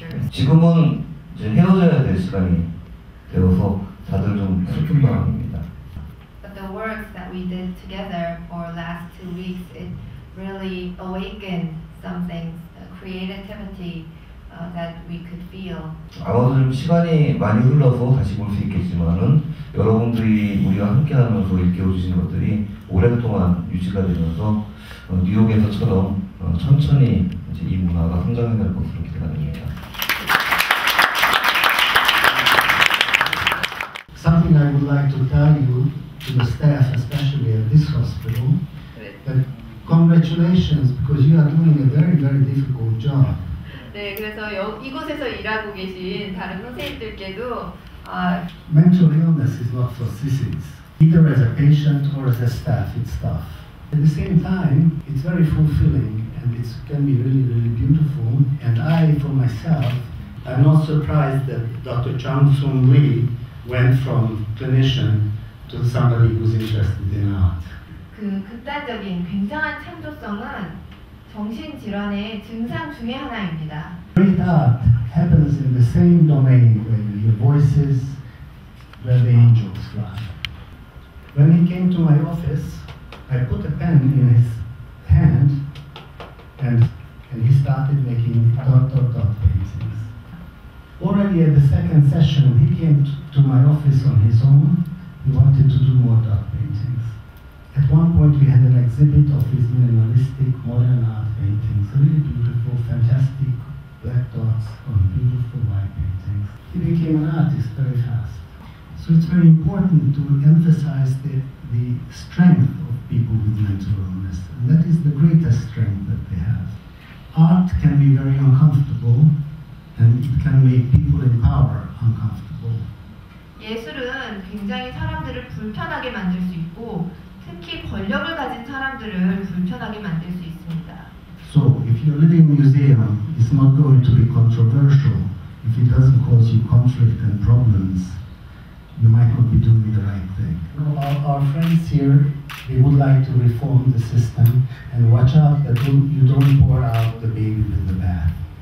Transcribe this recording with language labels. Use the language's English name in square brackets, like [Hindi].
[Korean] 지금은 이제 헤어져야 될 시간이 되어서 다들 좀 슬픈 마음입니다. [English] But the work work that we did together for the last 2 weeks, it really awakened some things, creativity that we could feel. [Korean] 아마도 좀 시간이 많이 흘러서 다시 볼 수 있겠지만은 여러분들이 우리와 함께하면서 일깨워 주시는 것들이 오랫동안 유지가 되면서 뉴욕에서처럼 천천히 이제 이 문화가 성장해 갈 것으로 기대합니다. [English] Something I would like to tell you to the staff, especially at this hospital, that congratulations because you are doing a very, very difficult job. [Korean] 네, 그래서 이곳에서 일하고 계신 다른 선생님들께도 [English] Mental illness is not for sissies. Either as a patient or as a staff, it's tough. At the same time, it's very fulfilling and it can be really, really beautiful. And I, for myself, I'm not surprised that Dr. Chang Sun Lee went from clinician to somebody who's interested in art. [Korean] 그 극단적인 굉장한 창조성은 정신질환의 증상 중에 하나입니다. [English] Great art happens in the same domain where your voices, where the angels fly. When he came to my office, I put a pen in his hand and he started making dot dot dot paintings. Already at the second session, he came to my office on his own. He wanted to do more dot paintings. At one point, we had an exhibit of his minimalistic modern art paintings, really beautiful, fantastic black dots on beautiful white paintings. He became an artist very fast. So it's very important to emphasize the strength of people with mental illness. And that is the greatest strength that they have. Art can be very uncomfortable, and it can make people in power uncomfortable. [Korean] 예술은 굉장히 사람들을 불편하게 만들 수 있고, 특히 권력을 가진 사람들을 불편하게 만들 수 있습니다. [English] So, if your living museum is not going to be controversial, if it doesn't cause you conflict and problems, you might not be doing the right thing. Our friends here, they would like to reform the system and watch out that you don't pour out the baby with the bath.